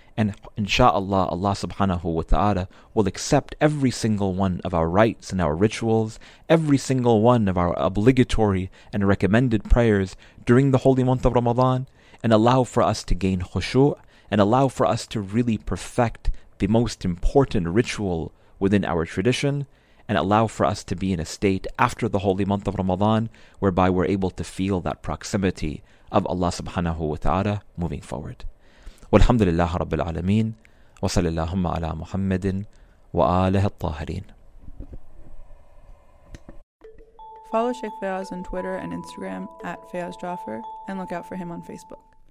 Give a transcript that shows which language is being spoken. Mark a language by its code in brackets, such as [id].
[en] And inshallah, Allah subhanahu wa ta'ala will accept every single one of our rites and our rituals, every single one of our obligatory and recommended prayers during the holy month of Ramadan, and allow for us to gain khushu' and allow for us to really perfect the most important ritual within our tradition, and allow for us to be in a state after the holy month of Ramadan whereby we're able to feel that proximity of Allah subhanahu wa ta'ala moving forward. [ar] والحمد لله رب العالمين وصلى اللهم على محمد وآله الطاهرين. [en] Follow Sheikh Fayaz on Twitter and Instagram @FayazJaffer and look out for him on Facebook.